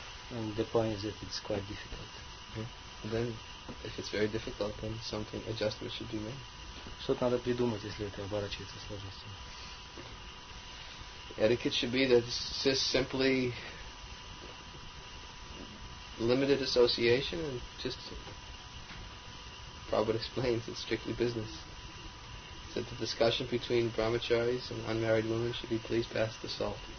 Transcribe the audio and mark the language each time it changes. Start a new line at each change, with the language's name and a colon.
English: And the point is that it's quite difficult. Yeah. Then, if it's very difficult, then something adjustment should be made.
Russian: Что-то надо придумать, если это оборачивается сложностью.
English: Etiquette should be that it's just simply limited association and just Prabhupada explains it's strictly business. So the discussion between brahmacharis and unmarried women should be please pass the salt.